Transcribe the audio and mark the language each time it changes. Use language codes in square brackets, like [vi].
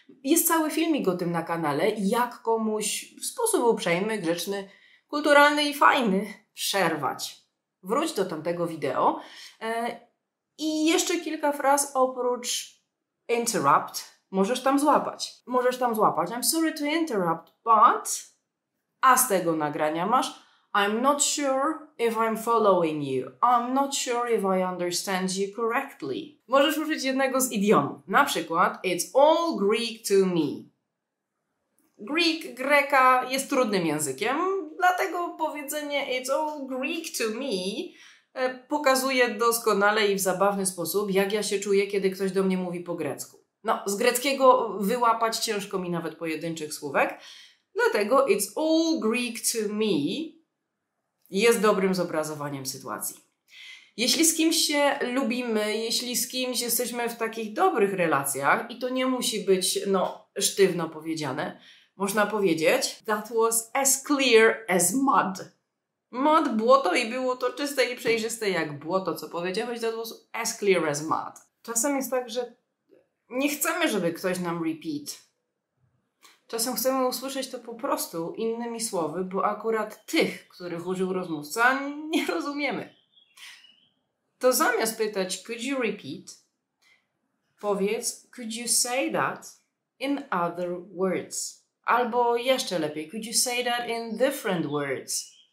[pl] Jest cały filmik o tym na kanale, jak komuś w sposób uprzejmy, grzeczny, kulturalny i fajny przerwać. Wróć do tamtego wideo. I jeszcze kilka fraz oprócz interrupt możesz tam złapać. [en] I'm sorry to interrupt, but... [pl] A z tego nagrania masz [en] I'm not sure if I'm following you. I'm not sure if I understand you correctly. [pl] Możesz użyć jednego z idiomów. Na przykład, [en] it's all Greek to me. [pl] Greka jest trudnym językiem, dlatego powiedzenie [en] it's all Greek to me [pl] pokazuje doskonale i w zabawny sposób, jak ja się czuję, kiedy ktoś do mnie mówi po grecku. No, z greckiego wyłapać ciężko mi nawet pojedynczych słówek, dlatego [en] it's all Greek to me [pl] jest dobrym zobrazowaniem sytuacji. Jeśli z kimś się lubimy, jeśli z kimś jesteśmy w takich dobrych relacjach i to nie musi być, no, sztywno powiedziane, można powiedzieć [en] that was as clear as mud. [pl] Mud, błoto i było to czyste i przejrzyste jak błoto, co powiedziałeś, [en] that was as clear as mud. [pl] Czasem jest tak, że nie chcemy, żeby ktoś nam repeat. Czasem chcemy usłyszeć to po prostu innymi słowy, bo akurat tych, których użył rozmówca, nie rozumiemy. To zamiast pytać, [en] could you repeat, [pl] powiedz, [en] could you say that in other words? [pl] Albo jeszcze lepiej, [en] could you say that in different words?